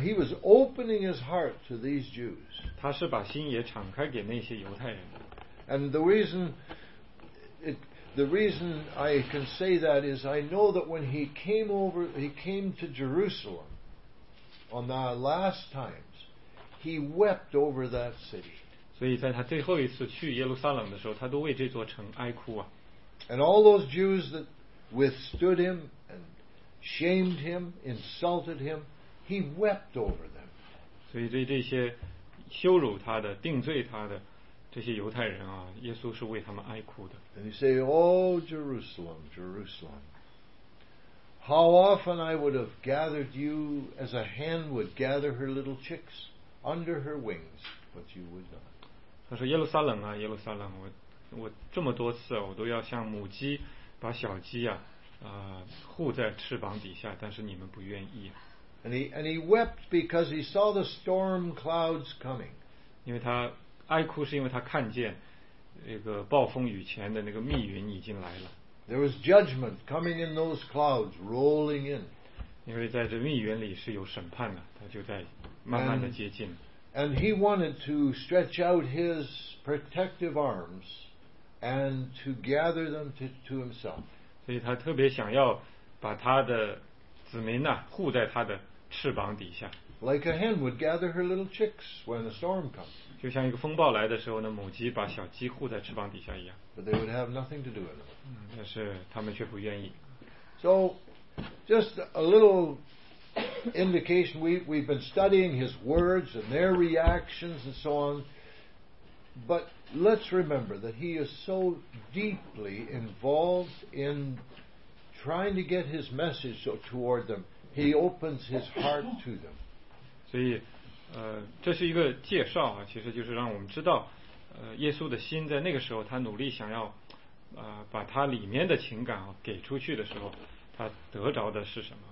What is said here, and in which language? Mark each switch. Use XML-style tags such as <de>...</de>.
<en>He was opening his heart to these Jews.</en> <zh>他是把心也敞开给那些犹太人。</zh> <en>And the reason it, The reason I can say that is I know that when he came over, he came to Jerusalem on the last times, he wept over that city.</en> <zh>所以在他最后一次去耶路撒冷的时候，他都为这座城哀哭啊。</zh> <en>And all those Jews that withstood him and shamed him, insulted him, he wept over them.</en> <zh>所以对这些羞辱他的、定罪他的这些犹太人啊，耶稣是为他们哀哭的。</zh> <en>And he say, "Oh Jerusalem, Jerusalem, how often I would have gathered you as a hen would gather her little chicks under her wings, but you would not."</en> <zh>他说：“耶路撒冷啊，耶路撒冷，我这么多次啊，我都要像母鸡把小鸡啊，护在翅膀底下，但是你们不愿意。”</zh> <en>And he wept because he saw the storm clouds coming.</en> <zh>因为他哀哭是因为他看见那个暴风雨前的那个密云已经来了。</zh> <en>There was judgment coming in those clouds, rolling in.</en> <zh>因为在这密云里是有审判的，他就在慢慢的接近。</zh> <en>And he wanted to stretch out his protective arms and to gather them to himself.</en> <zh>所以他特别想要把他的子民呐、啊、护在他的翅膀底下。</zh> <en>Like a hen would gather her little chicks when the storm comes.</en> <zh>就像一个风暴来的时候呢，母鸡把小鸡护在翅膀底下一样。</zh> <en>But they would have nothing to do with it.</en> <zh>但是他们却不愿意。</zh> <en>So, just a little. Indication we've been studying his words and their reactions and so on, but let's remember that he is so deeply involved in trying to get his message toward them. He opens his heart to them.</en> <zh>所以，这是一个介绍啊，其实就是让我们知道，耶稣的心在那个时候，他努力想要，把他里面的情感啊给出去的时候，他得着的是什么？</zh>